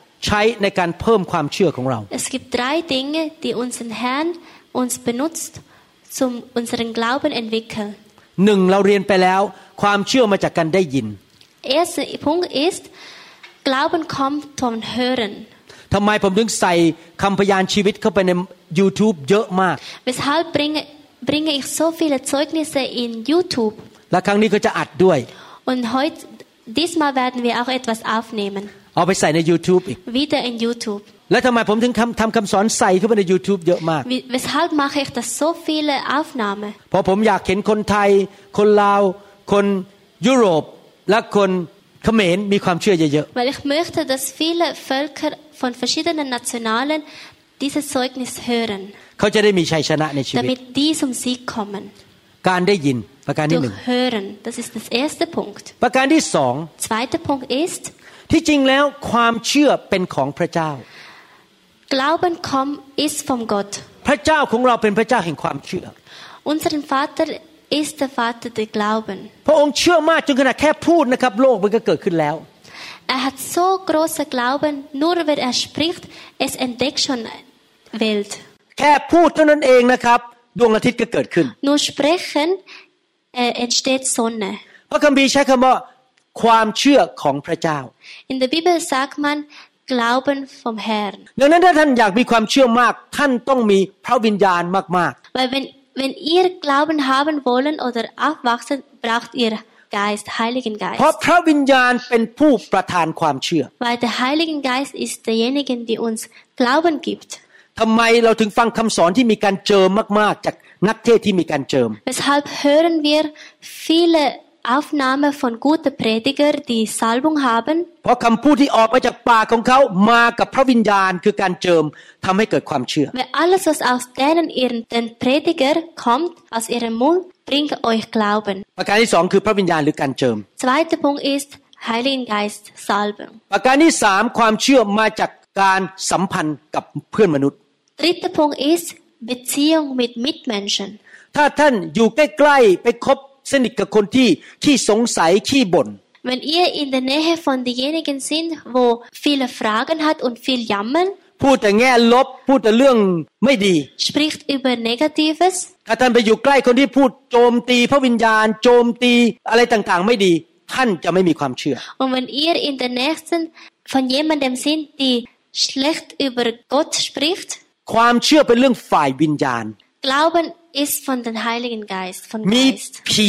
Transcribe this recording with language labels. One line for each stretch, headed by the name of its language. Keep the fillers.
Thai: ช้ในการเพิ่มความเชื่อของเรา
German: Es gibt drei Dinge die unseren Herrn uns benutzt zum unseren Glauben entwickeln
Thai: หนึ่งเราเรียนไปแล้วความเชื่อมาจากการได้ยิน
German: Es Punkt ist Glauben kommt vom Hören
Thai: ทำไมผมถึงใส่คำพยานชีวิตเข้าไปใน YouTube เยอะมาก
German: Weshalb bringe bringe ich so viele Zeugnisse in YouTube
Thai: และครั้งนี้ก็จะอัดด้วย
German: Und heute diesmal werden wir auch etwas aufnehmen
Thai: เอาไปใส่ใน YouTube อีก
German: wieder in YouTube
Thai: แล้วทำไมผมถึงทำทำคำสอนใส่เข้าไปใน YouTube เยอะมาก
German: weshalb mache ich das so viele Aufnahme
Thai: เพราะผมอยากเห็นคนไทย คนลาว คนยุโรป และคนเขมรมีความเชื่อเยอะ
German: ๆ weil ich möchte dass viele Völker von verschiedenen Nationalen dieses Zeugnis hören
Thai: เขาจะได้มีชัยชนะในชีวิต
German: damit die zum Sieg kommen
Thai: การได้ยินประการที่หนึ่ง
German: durch hören das ist das erste Punkt
Thai: ประการที่สอง
German: zweiter Punkt ist
Thai: ที่จริงแล้วความเชื่อเป็นของพระเจ้า
German: Glauben kommt ist vom Gott
Thai: พระเจ้าของเราเป็นพระเจ้าแห่งความเชื่อ
German: Unser Vater ist der Vater des g l a u b e n
Thai: พระองค์เชื่อมากจนขนาดแค่พูดนะครับโลกมันก็เกิดขึ้นแล้ว
German: Er hat so große Glauben nur wenn er spricht es entdeckt schon
Thai: Welt แค่พูดเท่านั้นเองนะครับดวงอาทิตย์ก็เกิดขึ้น
German: Nur sprechen entsteht Sonne
Thai: พระคัมภีร์ใช้คำว่าความเชื่อของพระเจ้า
German: In the Bibel sagt man Glauben vom Herrn.
Thai: ดังนั้นถ้าท่านอยากมีความเชื่อมาก ท่านต้องมีพระวิญญาณมาก
German: ๆ Weil wenn wenn ihr Glauben haben wollen oder aufwachsen braucht ihr Geist Heiligen Geist.
Thai: เพราะ พระวิญญาณเป็นผู้ประทานความเชื่อ
German: Weil der Heilige Geist ist derjenige die uns Glauben gibt.
Thai: ทำไมเราถึงฟังคำสอนที่มีการเจอมาก ๆ จากนักเทศที่มีการเจอ
German: Weshalb hören wir viele Aufnahme von guten Prediger, die Salbung haben.
Thai: เพราะคำพูดที่ออกมาจากปากของเขามากับพระวิญญาณคือการเจิมทำให้เกิดความเชื่อ
German: Wenn alles was aus deinen ihren den Prediger kommt aus ihrem Mund bringt euch Glauben.
Thai: ประการที่สองคือพระวิญญาณหรือการเจิม
German: Zweiter Punkt ist Heiligen Geist Salbung.
Thai: ประการที่สามความเชื่อมาจากการสัมพันธ์กับเพื่อนมนุษย์
German: Dritter Punkt ist Beziehung mit Mitmenschen.
Thai: ถ้าท่านอยู่ใกล้ๆไปคบนิทกับคนที่ขี้สงสัยขี้บน่น
German: Wenn ihr in der Nähe von denjenigen sind, wo viele Fragen hat und viel jammern,
Thai: พูดแต่แง่ลบพูดแต่เรื่องไม่ดี
German: spricht über Negatives
Thai: ถ้าท่านไปอยู่ใกล้คนที่พูดโจมตี พระวิญญาณโจมตีอะไรต่างๆไม่ดี ท่านจะไม่มีความเชื่อ
German: Und wenn ihr in der Nähe von jemandem sind, die schlecht über Gott spricht
Thai: ความเชื่อเป็นเรื่องฝ่ายวิญญาณ
German: Glauben ist von den Heiligen Geist, von Geist.